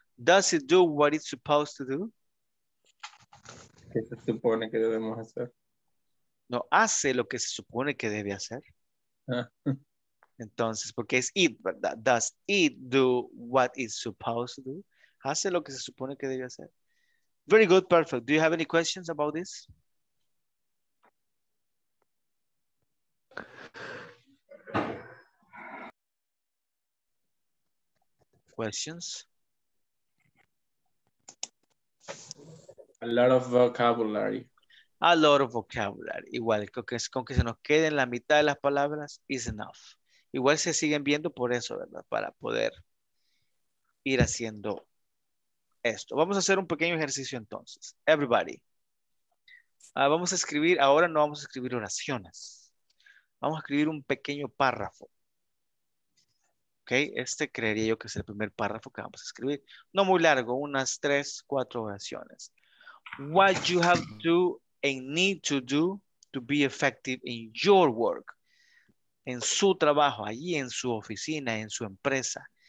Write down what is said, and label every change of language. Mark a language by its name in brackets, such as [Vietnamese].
[English] Does it do what it's supposed to do? [Spanish] ¿Qué se supone que debemos hacer? No, hace lo que se supone que debe hacer. Entonces, porque es it, ¿verdad? [English] Does it do what it's supposed to do? [Spanish] Hace lo que se supone que debe hacer. [English] Very good, perfect. Do you have any questions about this? Questions? A lot of vocabulary. A lot of vocabulary. [Spanish] Igual, con que se nos quede en la mitad de las palabras [English] is enough. [Spanish] Igual se siguen viendo por eso, ¿verdad? Para poder ir haciendo esto. Vamos a hacer un pequeño ejercicio entonces. [English] Everybody. [Spanish] Vamos a escribir, ahora no vamos a escribir oraciones. Vamos a escribir un pequeño párrafo. ¿Ok? Este creería yo que es el primer párrafo que vamos a escribir. No muy largo, unas 3-4 oraciones. [English] What you have to and need to do to be effective in your work. [Spanish] En su trabajo, allí en su oficina, en su empresa.